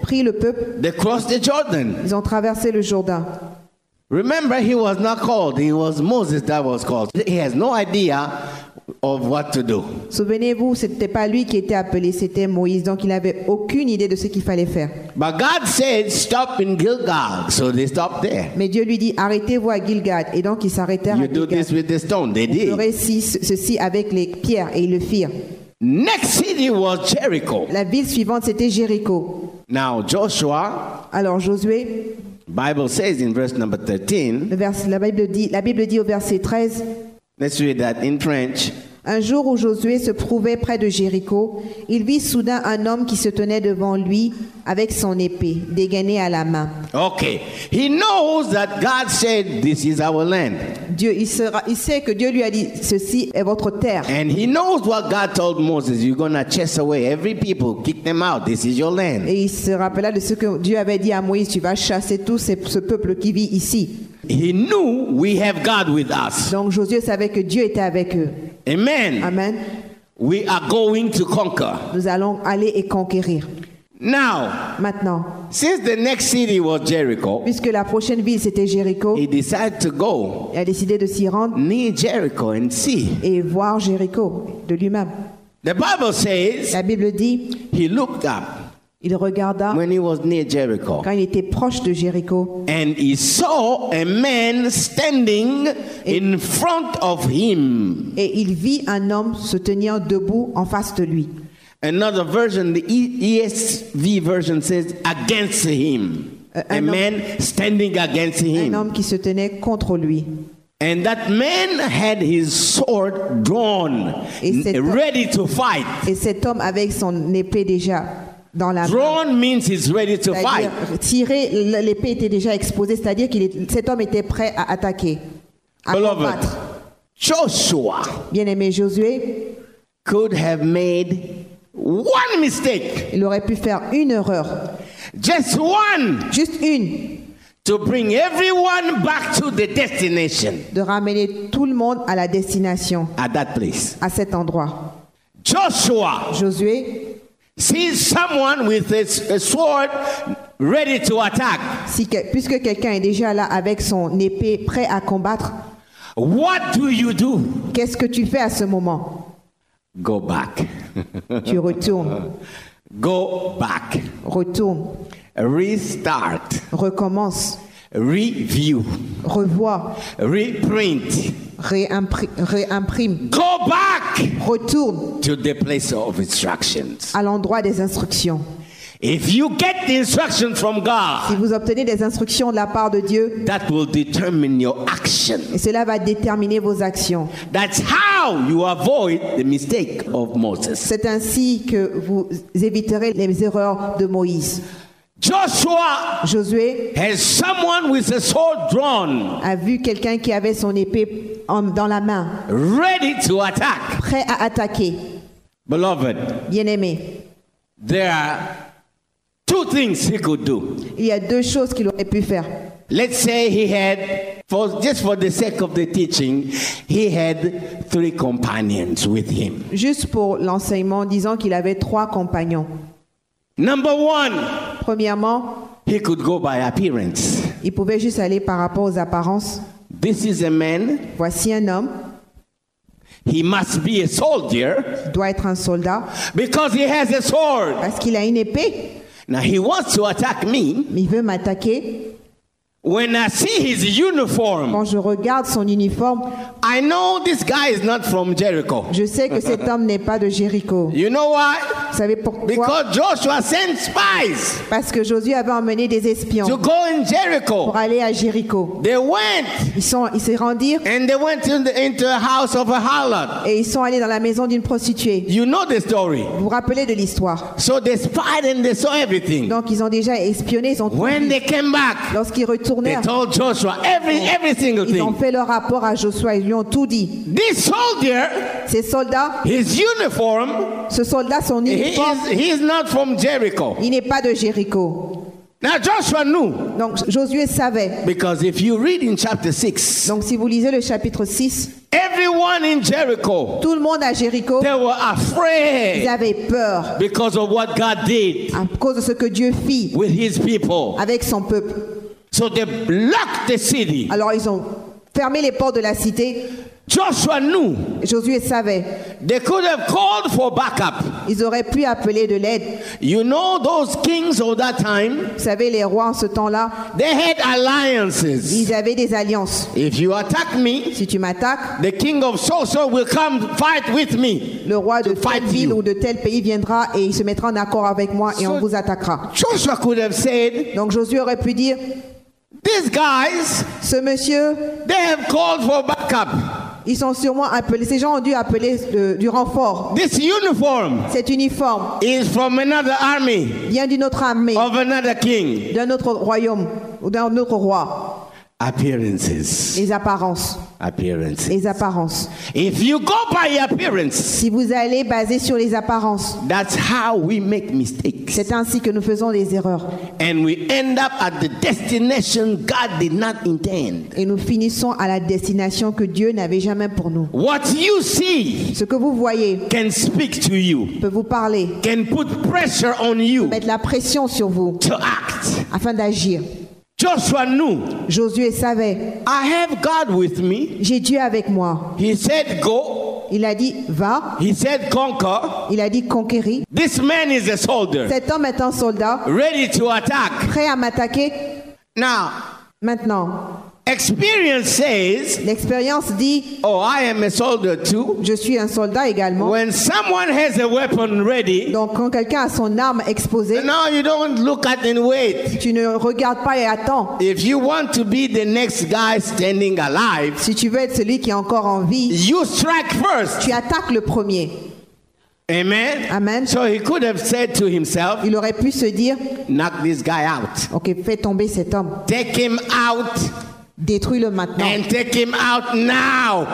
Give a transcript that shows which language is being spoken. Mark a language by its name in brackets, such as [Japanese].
[French] Prit le peuple. [English] They crossed the Jordan. [French] Ils ont traversé le Jourdain. [English] Remember, he was not called. It was Moses that was called. He has no idea. Of what to do. [French] Souvenez-vous, c'était pas lui qui était appelé, c'était Moïse, donc il avait aucune idée de ce qu'il fallait faire. [English] But God said, "Stop in Gilgal," so they stopped there. [French] Mais Dieu lui dit, arrêtez-vous à Gilgal, et donc ils s'arrêtèrent. [English] You do this with the stone. They did. [French] Vous ferez ceci avec les pierres, et ils le firent. [English] Next city was Jericho. [French] La ville suivante c'était Jéricho. [English] Now Joshua. [French] Alors Josué. [English] Bible says in verse number 13. [French] La Bible dit au verset 13. [English] Let's read that in French. [French] Un jour où Josué se trouvait près de Jéricho, il vit soudain un homme qui se tenait devant lui avec son épée dégainée à la main. [English] Okay, he knows that God said this is our land. [French] Dieu, il sait que Dieu lui a dit ceci est votre terre. [English] And he knows what God told Moses, you're gonna chase away every people, kick them out. This is your land. [French] Et il se rappela de ce que Dieu avait dit à Moïse, tu vas chasser tout ce peuple qui vit ici. [English] He knew we have God with us. [French] Donc Josué savait que Dieu était avec eux. [English] Amen. [French] Amen. [English] We are going to conquer. [French] Nous allons aller et conquérir. [English] Now, [French] maintenant, [English] since the next city was Jericho, [French] puisque la prochaine ville c'était Jéricho, [English] he decided to go. [French] Il a décidé de s'y rendre. [English] Near Jericho and see. [French] Et voir Jéricho de lui-même. [English] The Bible says. [French] La Bible dit. [English] He looked up. [French] Il regarda [English] when he was near Jericho, [French] quand il était proche de Jéricho, [English] and he saw a man standing in front of him. [French] Et il vit un homme se tenir debout en face de lui. [English] Another version, the ESV version says against him. A man standing against him. [French] Un homme qui se tenait contre lui. [English] And that man had his sword drawn, ready to fight. [French] Et cet homme avait son épée déjà. Dans la [English] drawn [French] main. [English] Means he's ready to [French] c'est-à-dire, [English] fight. [French] Tirer, l'épée était déjà exposée, c'est-à-dire que cet homme était prêt à attaquer, à [English] beloved, [French] combattre. [English] Joshua, [French] bien-aimé Josué, [English] could have made one mistake. [French] Il aurait pu faire une erreur. [English] Just one. [French] Juste une. [English] To bring everyone back to the destination. [French] De ramener tout le monde à la destination. [English] At that place. [French] À cet endroit. [English] Joshua. [French] Josué. [English] See someone with a sword ready to attack. [French] Puisque quelqu'un est déjà là avec son épée prêt à combattre. [English] What do you do? [French] Qu'est-ce que tu fais à ce moment? [English] Go back. [French] Tu retournes. [English] Go back. [French] Retourne. [English] Restart. [French] Recommence. [English] Review. [French] Revois. [English] Reprint. [French] Réimprime. [English] Go back. [French] Retourne. [English] To the place of instructions. [French] À l'endroit des instructions. [English] If you get the instructions from God, [French] si vous obtenez des instructions de la part de Dieu, [English] that will determine your action. [French] Et cela va déterminer vos actions. [English] That's how you avoid the mistake of Moses. [French] C'est ainsi que vous éviterez les erreurs de Moïse. [English] Joshua, [French] Josué, [English] has someone with a sword drawn, [French] a vu quelqu'un qui avait son épée dans la main, [English] ready to attack, [French] prêt à attaquer. [English] Beloved, [French] bien-aimé, [English] there are two things he could do. [French] Il y a deux choses qu'il aurait pu faire. [English] Let's say he had, for just for the sake of the teaching, he had three companions with him. [French] Juste pour l'enseignement, disons qu'il avait trois compagnons. [English] Number one, [French] premièrement, [English] he could go by appearance. [French] Il pouvait juste aller par rapport aux apparences. [English] This is a man. [French] Voici un homme. [English] He must be a soldier. [French] Il doit être un soldat. [English] Because he has a sword. [French] Parce qu'il a une épée. [English] Now he wants to attack me. [French] Il veut m'attaquer. [English] When I see his uniform, [French] quand je regarde son uniforme, [English] I know this guy is not from Jericho. [French] Je sais que cet homme n'est pas de Jéricho. [English] You know why? [French] Vous savez pourquoi? [English] Because Joshua sent spies. [French] Parce que Josué avait emmené des espions. [English] To go in Jericho. [French] Pour aller à Jéricho. [English] They went. [French] Ils se rendirent. [English] And they went into a house of a harlot. [French] Et ils sont allés dans la maison d'une prostituée. [English] You know the story. [French] Vous vous rappelez de l'histoire? [English] So they spied and they saw everything. [French] Donc ils ont déjà espionné, ils ont tout. [English] When [French] vu. [English] They came back. [French] Lorsqu'ils retournent. [English] They told Joshua every single thing. [French] Ils ont fait leur rapport à Joshua et lui ont tout dit. [English] This soldier, [French] ces soldats, [English] his uniform, [French] ce soldat, son uniforme, [English] he's not from Jericho. [French] Il n'est pas de Jéricho. [English] Now Joshua knew. [French] Donc Josué savait. [English] Because if you read in chapter 6, [French] donc si vous lisez le chapitre 6, [English] everyone in Jericho, [French] tout le monde à Jéricho, [English] they were afraid. [French] Ils avaient peur. [English] Because of what God did, [French] à cause de ce que Dieu fit, [English] with his people, [French] avec son peuple. [English] So they blocked the city. [French] Alors ils ont fermé les portes de la cité. [English] Joshua knew. [French] Josué savait. [English] They could have called for backup. [French] Ils auraient pu appeler de l'aide. [English] You know those kings of that time? [French] Vous savez les rois en ce temps-là? [English] They had alliances. [French] Ils avaient des alliances. [English] If you attack me, [French] si tu m'attaques, [English] the king of so-so will come fight with me. [French] Le roi de telle ville ou de tel pays viendra et il se mettra en accord avec moi et on vous attaquera. [English] Joshua could have said. [French] Donc Josué aurait pu dire. [English] These guys, [French] ce monsieur, [English] they have called for backup. [French] Ils sont sûrement appelés. Ces gens ont dû appeler du renfort. [English] This uniform, [French] cet uniforme, [English] is from another army, [French] vient d'une autre armée, [English] of another king, [French] d'un autre royaume ou d'un autre roi. [English] Appearances, [French] les apparences. [English] appearances. [French] Les apparences. [English] If you go by appearance, [French] si vous allez baser sur les apparences, [English] that's how we make mistakes. [French] C'est ainsi que nous faisons des erreurs. [English] And we end up at the destination God did not intend. [French] Et nous finissons à la destination que Dieu n'avait jamais pour nous. [English] What you see, [French] ce que vous voyez, [English] can speak to you, [French] peut vous parler, [English] can put pressure on you, [French] mettre la pression sur vous, [English] to act, [French] afin d'agir. [English] Joshua knew. [French] Josué savait. [English] I have God with me. [French] J'ai Dieu avec moi. [English] He said, "Go." [French] Il a dit, va. [English] He said, "Conquer." [French] Il a dit, conquérir. [English] This man is a soldier. [French] Cet homme est un soldat. [English] Ready to attack. [French] Prêt à m'attaquer. [English] Now. [French] Maintenant. [English] Experience says. [French] L'expérience dit. [English] Oh, I am a soldier too. [French] Je suis un soldat également. [English] When someone has a weapon ready. [French] Donc quand quelqu'un a son arme exposée. [English] No, you don't look at and wait. [French] Tu ne regardes pas et attends. [English] If you want to be the next guy standing alive. [French] Si tu veux être celui qui est encore en vie. [English] You strike first. [French] Tu attaques le premier. [English] Amen. [French] Amen. [English] So he could have said to himself, [French] il aurait pu se dire, [English] knock this guy out. [French] Ok, fais tomber cet homme. [English] Take him out. [French] Détruis-le maintenant. [English] And take him out now.